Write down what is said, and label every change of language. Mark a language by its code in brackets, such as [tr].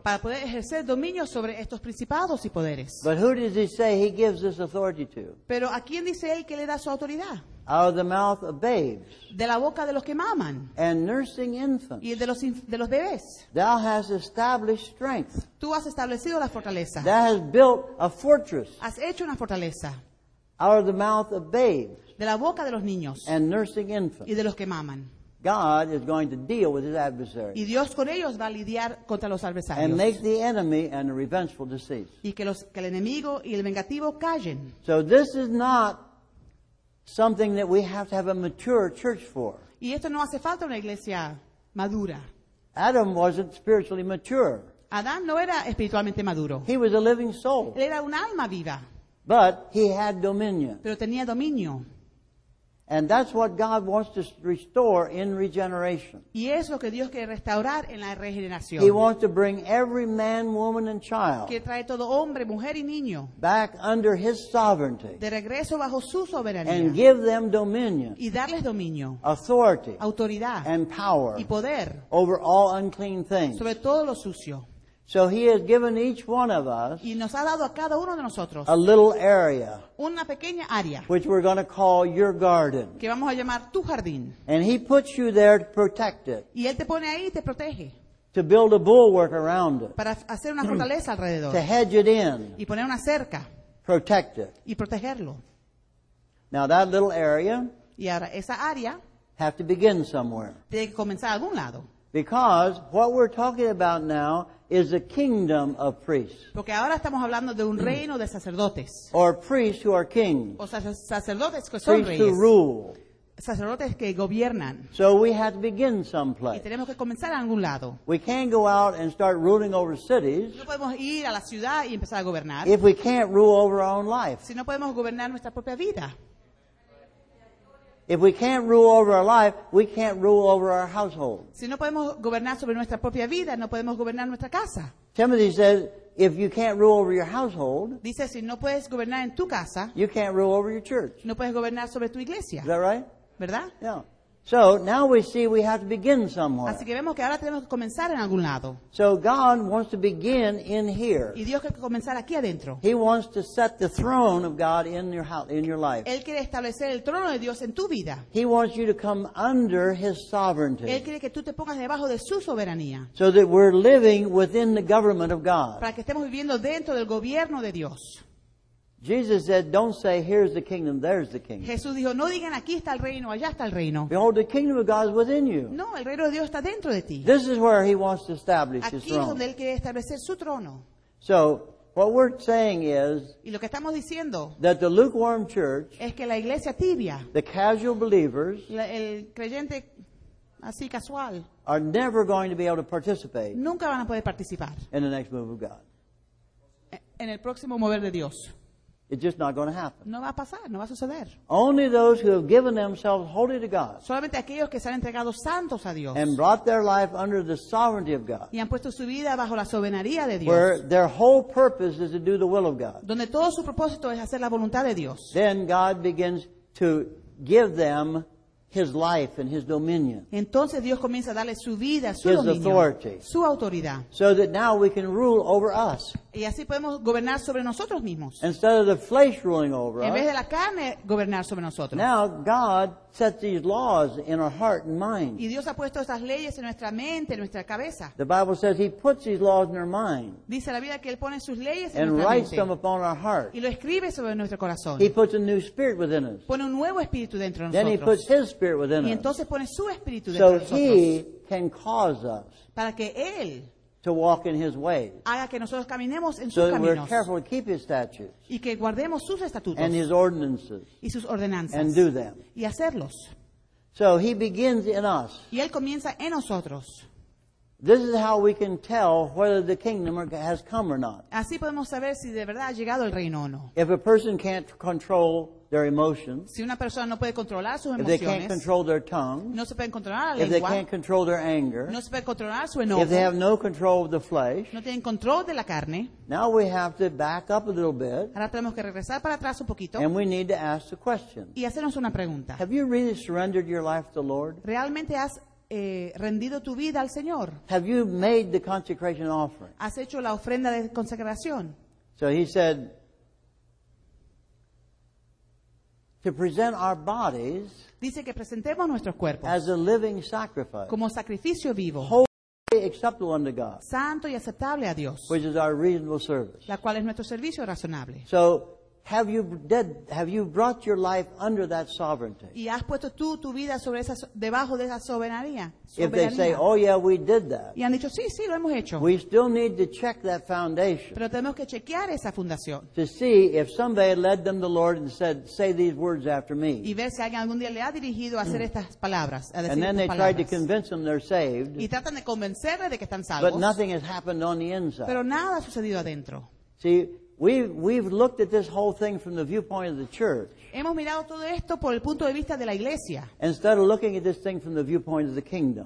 [es] Para poder ejercer dominio sobre estos principados y poderes. [en] But who does he say he gives this authority to? [es] Pero ¿a quién dice él que le da su autoridad? [en] Out of the mouth of babes. [es] De la boca de los que maman. [en] And nursing infants. [es] Y de los bebés. [en] Thou hast established strength. [es] Tú has establecido la fortaleza. [en] Thou hast built a fortress. [es] Has hecho una fortaleza. [en] Out of the mouth of babes. [es] De la boca de los niños. [en] And nursing infants. [es] Y de los que maman. [en] God is going to deal with his adversaries. [es] Y Dios con ellos va a lidiar contra los adversarios. [en] And make the enemy and the revengeful to cease. [es] Y que el enemigo y el vengativo callen. [en] So this is not something that we have to have a mature church for. [es] Y esto no hace falta una iglesia madura. [en] Adam wasn't spiritually mature. [es] Adán no era espiritualmente maduro. [en] He was a living soul. [es] Él era un alma viva. [en] But he had dominion. [es] Pero tenía dominio. [en] And that's what God wants to restore in regeneration. [es] Y es lo que Dios quiere restaurar en la regeneración. [en] He wants to bring every man, woman, and child. [es] Que trae todo hombre, mujer y niño. [en] Back under his sovereignty. [es] De regreso bajo su soberanía. [en] And give them dominion. [es] Y darles dominio. [en] Authority. [es] Autoridad. [en] And power. [es] Y poder. [en] Over all unclean things. [es] Sobre todo lo sucio. [en] So he has given each one of us. [es] Y nos ha dado a cada uno de nosotros. [en] A little area. [es] Una pequeña área. [en] Which we're going to call your garden. [es] Que vamos a llamar tu jardín. [en] And he puts you there to protect it. [es] Y él te pone ahí y te protege. [en] To build a bulwark around it. [es] Para hacer una fortaleza alrededor. [en] To hedge it in. [es] Y poner una cerca. [en] Protect it. [es] Y protegerlo. [en] Now that little area. [es] Y ahora esa área. [en] Have to begin somewhere. [es] Tiene que comenzar a algún lado. [en] Because what we're talking about now is a kingdom of priests. [es] Porque ahora estamos hablando de un reino de sacerdotes. [en] Or priests who are kings. [es] O sacerdotes que [en] priests [es] son reyes. [en] Who rule. [es] Sacerdotes que gobiernan. [en] So we have to begin someplace. [es] Y tenemos que comenzar en algún lado. [en] We can't go out and start ruling over cities. [es] No podemos ir a la ciudad y empezar a gobernar. [en] If we can't rule over our own life. [es] Si no podemos gobernar nuestra propia vida. [en] If we can't rule over our life, we can't rule over our household. [es] Si no podemos gobernar sobre nuestra propia vida, no podemos gobernar nuestra casa. [en] Timothy says, if you can't rule over your household, [es] dice, si no puedes gobernar en tu casa, [en] you can't rule over your church. [es] No puedes gobernar sobre tu iglesia. [en] Is that right? [es] ¿Verdad? [en] Yeah. So now we see we have to begin somewhere. [es] Así que vemos que ahora tenemos que comenzar en algún lado. [en] So God wants to begin in here. [es] Y Dios quiere comenzar aquí adentro. [en] He wants to set the throne of God in your house, in your life. [es] Él quiere establecer el trono de Dios en tu vida. [en] He wants you to come under his sovereignty. [es] Él quiere que tú te pongas debajo de su soberanía. [en] So that we're living within the government of God. [es] Para que estemos viviendo dentro del gobierno de Dios. [en] Jesus said, don't say, here's the kingdom, there's the kingdom. [es] Jesús dijo, no digan, aquí está el reino, allá está el reino. [en] Behold, the kingdom of God is within you. [es] No, el reino de Dios está dentro de ti. [en] This is where he wants to establish [es] aquí [en] his throne. [es] Aquí es donde él quiere establecer su trono. [en] So, what we're saying is, [es] y lo que estamos diciendo, [en] that the lukewarm church, [es] es que la iglesia tibia, [en] the casual believers, [es] el creyente así casual, [en] are never going to be able to participate, [es] nunca van a poder participar, [en] in the next move of God. [es] En el próximo mover de Dios. [en] It's just not going to happen. [es] No va a pasar, no va a suceder. [en] Only those who have given themselves wholly to God. [es] Solamente aquellos que se han entregado santos a Dios. [en] And brought their life under the sovereignty of God. [es] Y han puesto su vida bajo la soberanía de Dios. [en] Where their whole purpose is to do the will of God. [es] Donde todo su propósito es hacer la voluntad de Dios. [en] Then God begins to give them His life and his dominion. [es] Entonces Dios comienza a darle su vida, su [en] his [es] dominio, [en] authority. [es] Su autoridad. [en] So that now we can rule over us. [es] Y así podemos gobernar sobre nosotros mismos. [en] Instead of the flesh ruling over [es] en [en] us. [es] En vez de la carne gobernar sobre nosotros. [en] Now God sets these laws in our heart and mind. [es] Y Dios ha puesto estas leyes en nuestra mente, en nuestra cabeza. [en] The Bible says he puts these laws in our mind. [es] Dice la Biblia que él pone sus leyes en mente. [en] And writes them upon our heart. [es] Y lo escribe sobre nuestro corazón. [en] He puts a new spirit within us. [es] Pone un nuevo espíritu dentro de [en] then [es] nosotros. [en] Then he puts his spirit within [es] y entonces pone su espíritu dentro de nosotros. [en] So he can cause us. [es] Para que él [en] to walk in his ways. [es] Haga que nosotros caminemos en [en] so [es] sus [en] that [es] caminos. [en] We're careful to keep his statutes. [es] Y que guardemos sus estatutos. [en] And his ordinances. [es] Y sus ordenanzas. [en] And do them. [es] Y hacerlos. [en] So he begins in us. [es] Y él comienza en nosotros. [en] This is how we can tell whether the kingdom has come or not. [es] Así podemos saber si de verdad ha llegado el reino o no. [en] If a person can't control their emotions, [es] si una persona no puede controlar sus emociones, [en] if they can't control their tongue, [es] no se pueden controlar la [en] if [es] lengua, [en] they can't control their anger, [es] no se puede controlar su enojo, [en] if they have no control of the flesh, [es] no tienen control de la carne, [en] now we have to back up a little bit, [es] ahora tenemos que regresar para atrás un poquito, [en] and we need to ask the question, [es] y hacernos una pregunta. [en] Have you really surrendered your life to the Lord? [es] ¿Realmente has rendido tu vida al Señor? [en] Have you made the consecration offering? [es] ¿Has hecho la ofrenda de consagración? [en] So he said, to present our bodies, [es] dice que presentemos nuestros cuerpos, [en] as a living sacrifice, [es] como sacrificio vivo, [en] holy, acceptable unto God, [es] santo y aceptable a Dios, [en] which is our reasonable service, [es] la cual es nuestro servicio razonable. [en] So, have you brought your life under that sovereignty? [es] Y has puesto tú tu vida sobre esa, debajo de esa soberanía. [en] If they say, oh yeah, we did that. [es] Y han dicho, sí, sí, lo hemos hecho. [en] We still need to check that foundation. [es] Pero tenemos que chequear esa fundación. [en] To see if somebody led them to the Lord and said, say these words after me. [es] Y ver si alguien algún día le ha dirigido a hacer estas palabras, a decir estas [en] and then they [es] palabras. [en] Tried to convince them they're saved. [es] Y tratan de convencerle de que están salvos. [en] But nothing has happened on the inside. [es] Pero nada ha sucedido adentro. [en] See, we've looked at this whole thing from the viewpoint of the church. [es] Hemos mirado todo esto por el punto de vista de la iglesia. [en] Instead of looking at this thing from the viewpoint of the kingdom.